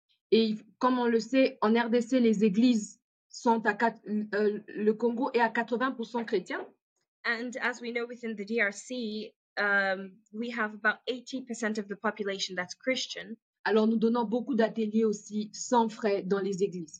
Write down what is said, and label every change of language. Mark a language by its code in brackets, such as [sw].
[fr] Et comme on le sait, en RDC, les églises sont le Congo est à 80% chrétien. [en] And as we know within the DRC, we have about 80% of the population that's Christian. [fr] Alors nous donnons beaucoup d'ateliers aussi sans frais dans les églises.